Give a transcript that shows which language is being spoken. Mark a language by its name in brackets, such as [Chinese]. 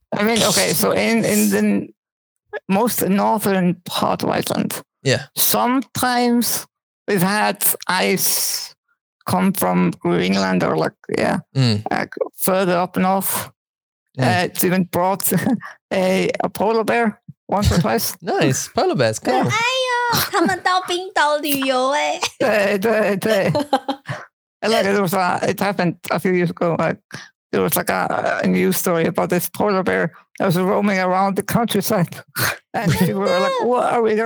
[English] I mean, okay, so in the most northern part of Iceland, yeah, sometimes we've had ice come from Greenland or like further up north. Yeah. It's even brought a polar bear once or twice. Nice, polar bears, cool. [Chinese] 哎呦，他们到冰岛旅游哎。对对对。 [English] It happened a few years ago. There was like a news story about this polar bear that was roaming around the countryside. And people were like, what are we doing?